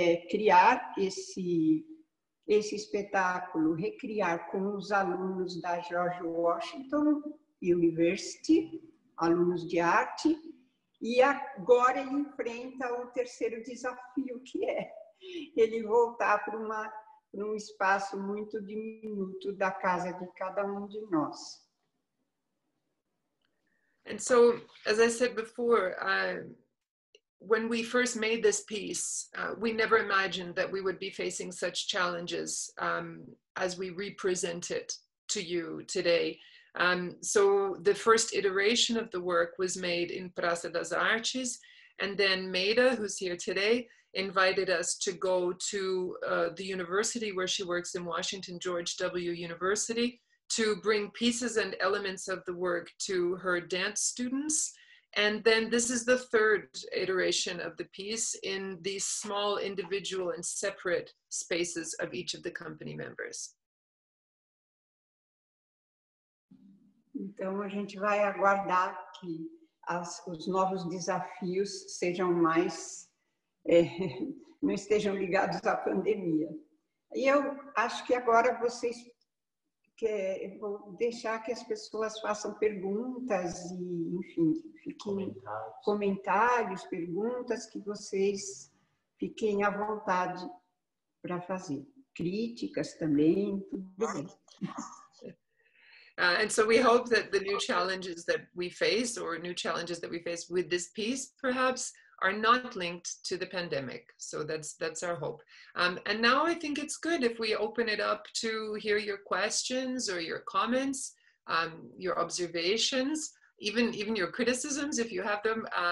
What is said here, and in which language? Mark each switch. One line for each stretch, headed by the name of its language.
Portuguese: criar esse espetáculo, recriar com os alunos da George Washington University, alunos de arte, e agora ele enfrenta o terceiro desafio, que é ele voltar para um espaço muito diminuto da casa de cada um de nós.
English: And so, as I said before, when we first made this piece, we never imagined that we would be facing such challenges as we represent it to you today. So the first iteration of the work was made in Praça das Artes, and then Maida, who's here today, invited us to go to the university where she works in Washington, George W. University, to bring pieces and elements of the work to her dance students. And then this is the third iteration of the piece in these small individual and separate spaces of each of the company members.
Portuguese: Então a gente vai aguardar que os novos desafios sejam mais não estejam ligados à pandemia. E eu acho que agora vocês vou deixar que as pessoas façam perguntas e, enfim, fiquem comentários, perguntas que vocês fiquem à vontade para fazer. Críticas também, tudo bem.
English: And so we hope that the new challenges that we face, or new challenges that we face with this piece, perhaps, are not linked to the pandemic. So that's our hope. And now I think it's good if we open it up to hear your questions or your comments, your observations, even your criticisms, if you have them.